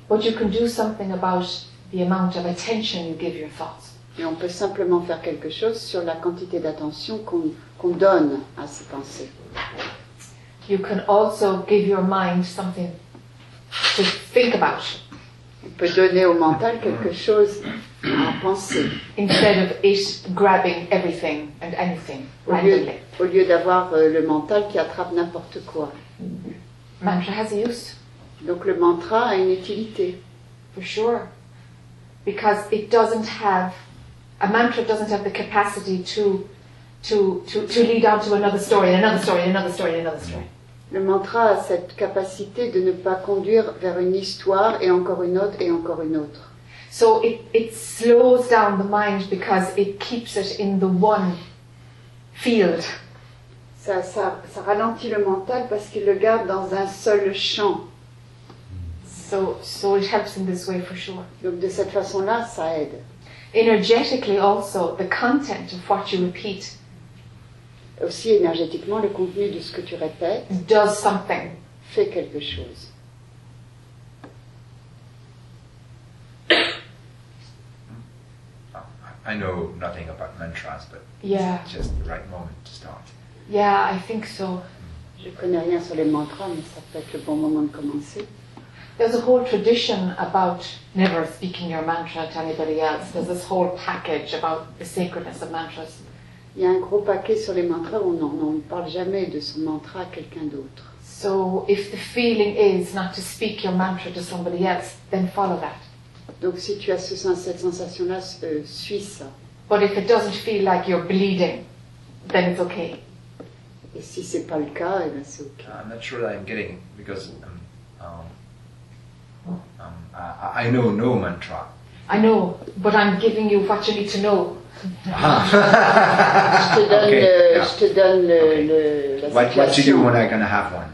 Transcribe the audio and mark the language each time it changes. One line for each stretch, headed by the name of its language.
English: But you can do something about the amount of attention you give your thoughts.
French: Et on peut simplement faire quelque chose sur la quantité d'attention qu'on donne à ses pensées.
English: You can also give your mind something to think about.
French: On peut donner au mental quelque chose à penser.
English: Instead of it grabbing everything and anything randomly.
French: Au lieu d'avoir le mental qui attrape n'importe quoi.
English: Mantra has a use.
French: Donc le mantra a une utilité.
English: For sure. Because it doesn't have... A mantra doesn't have the capacity to lead on to another story, and another story, and another story, and another story.
French: Le mantra a cette capacité de ne pas conduire vers une histoire et encore une autre et encore une autre.
English: So it slows down the mind because it keeps it in the one field.
French: Ça ralentit le mental parce qu'il le garde dans un seul champ.
English: So it helps in this way for sure.
French: Donc de cette façon-là, ça aide.
English: Energetically also, the content of what you repeat
French: aussi énergétiquement, le contenu de ce que tu répètes
English: does something.
French: Fait quelque chose.
English: I know nothing about mantras, but yeah. It's just the right moment to start. Yeah, I think so.
French: Je connais rien sur les mantras, mais ça peut être le bon moment de commencer.
English: There's a whole tradition about never speaking your mantra to anybody else. There's this whole package about the sacredness of mantras.
French: Il y a un gros paquet sur les mantras où on ne parle jamais de son mantra à quelqu'un d'autre.
English: So if the feeling is not to speak your mantra to somebody else, then follow that.
French: Donc si tu as cette sensation-là, suis ça.
English: But if it doesn't feel like you're bleeding, then it's okay.
French: Et si c'est pas le cas, eh bien c'est okay.
English: I'm not sure that I'm getting it because I know no mantra. I know, but I'm giving you what you need to know. What to do when I'm going to have one?